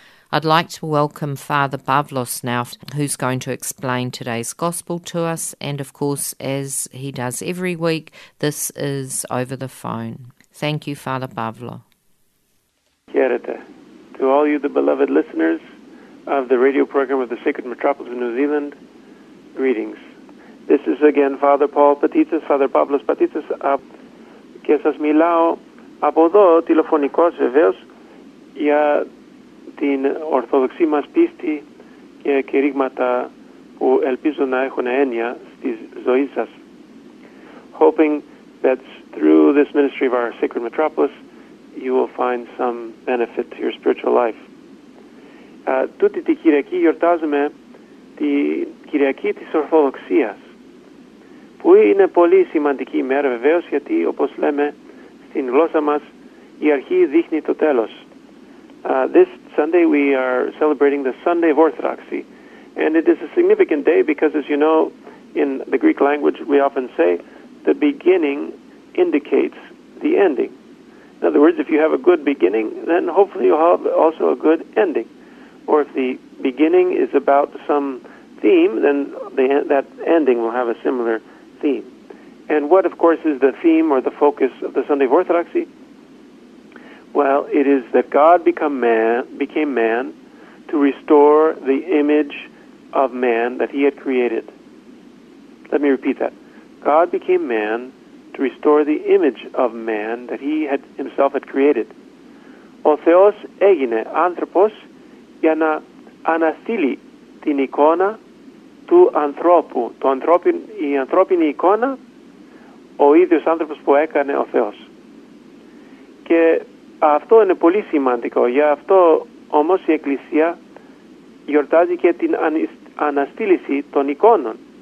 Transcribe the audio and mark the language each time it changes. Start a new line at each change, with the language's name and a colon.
English: I'd like to welcome Father Pavlos now, who's going to explain today's gospel to us. And of course, as he does every week, this is over the phone. Thank you, Father Pavlo. Kierita. To all you, the beloved listeners of the radio program of the Sacred Metropolis of New Zealand, greetings. This is again Father Paul Patitas, Father Pavlos Patitas,
Greek: και σας μιλάω από εδώ τηλεφωνικώς βεβαίως για την ορθόδοξη μας πίστη και κηρύγματα που ελπίζω να έχουν έννοια στη ζωή σας.
English: Hoping that through this ministry of our sacred Metropolis, you will find some benefit to your spiritual life.
Greek: Τούτη τη Κυριακή γιορτάζουμε τη Κυριακή της Ορθοδοξίας, που είναι πολύ σημαντική ημέρα βεβαίως, γιατί όπως λέμε στην γλώσσα μας, η αρχή δείχνει το τέλος.
English: This Sunday we are celebrating the Sunday of Orthodoxy, and it is a significant day because, as you know, in the Greek language we often say the beginning indicates the ending. In other words, if you have a good beginning, then hopefully you'll have also a good ending. Or if the beginning is about some theme, then that ending will have a similar theme. And what, of course, is the theme or the focus of the Sunday of Orthodoxy? Well, it is that God became man to restore the image of man that he had created. Let me repeat that. God became man to restore the image of man that he had himself had created.
Greek: Ο Θεός έγινε άνθρωπος για να αναστείλει την εικόνα του ανθρώπου, η ανθρώπινη εικόνα, ο ίδιος άνθρωπος που έκανε ο Θεός. Και αυτό είναι πολύ σημαντικό, γι' αυτό όμως η Εκκλησία γιορτάζει και την αναστήληση των εικόνων.